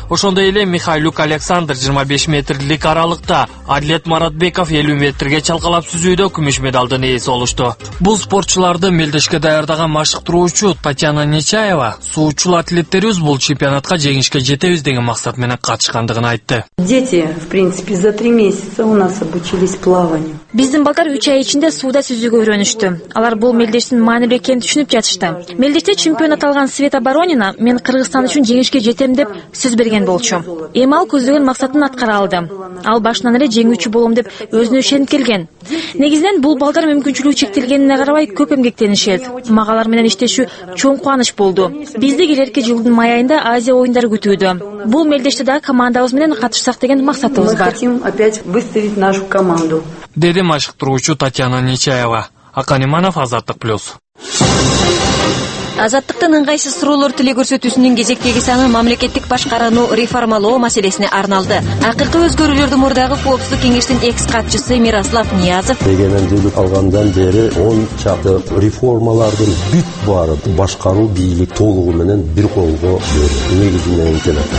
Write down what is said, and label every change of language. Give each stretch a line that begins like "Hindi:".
Kyrgyz: Ошондой эле Михайлюк Александр 25 метрлик аралыкта, атлет Маратбеков 50 метрге чалкалап сүзүүдө күмүш медалдын ээси болушту. Бул спортчуларды мелдешке даярдаган машыктыруучу Татьяна Нечаева суучул атлеттерибиз бул чемпионатка жеңишке жетебиз деген максат менен катышкандыгын айтты.
Russian: Дети, в принципе, за 3 месяца у нас обучились плаванию.
Kyrgyz: Биздин балдар 3 ай ичинде сууда сүзүүгө үйрөнүштү. Алар бул мелдештин маанилүү экенин түшүнүп жатышты. Мелдеште чемпион аталган Света Баронина мен Кыргызстан үчүн жеңишке жетем деп сөз берген болчу. Эми ал көздөгөн максатын аткара алды. Ал башынан эле жеңүүчү болом деп өзүнө ишенип келген. Негизинен бул балдар мүмкүнчүлүгү чектелгенине карабай көп эмгектенишет. Мага алар менен иштешүү чоң кубаныч болду. Бизди келерки жылдын май айында Азия оюндары күтүүдө. Бул мелдеште да командабыз менен катышсак деген максатыбыз бар.
Russian: Мы хотим опять выставить нашу команду.
Kyrgyz: Деди машыктыруучу Татьяна Нечаева. Акан Иманов, Азаттык Плюс. Азаттыктын ыңгайсыз суроолор тили көрсөтүүсүнүн кезектеги саны мамлекеттик башкарууну реформалоо маселесине арналды. Акыркы өзгөрүүлөрдү мурдагы коопсуздук кеңештин экс катчысы Мирослав Ниязов эгемендүүлүк алгандан бери 10 чакты реформалардын бүт баары башкаруу бийлик толугу менен бир колго негизиненкен